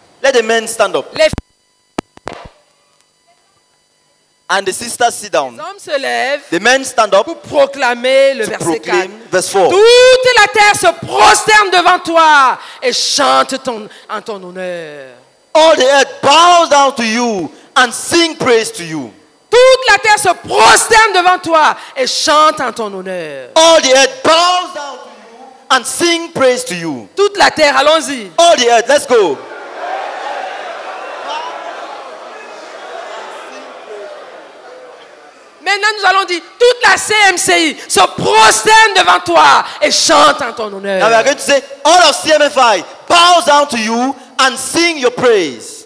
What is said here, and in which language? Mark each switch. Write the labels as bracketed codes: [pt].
[en] Let the men stand up. [fr] Les [en] and the sisters sit down. [fr] Les hommes se lèvent. [en] The men stand up [fr] pour proclamer le verset 4. [en] Verse 4. [fr] Toute la terre se prosterne devant toi et chante en ton honneur. [en] All the earth bows down to you and sing praise to you. [fr] Toute la terre se prosterne devant toi et chante en ton honneur. [en] All the earth bows down to you and sing praise to you. [fr] Toute la terre, allons-y. [en] All the earth, let's go. [fr] Maintenant, nous allons dire, toute la CMCI se prosterne devant toi et chante en ton honneur. [en] Now we are going to say, all of CMFI bows down to you and sing your praise.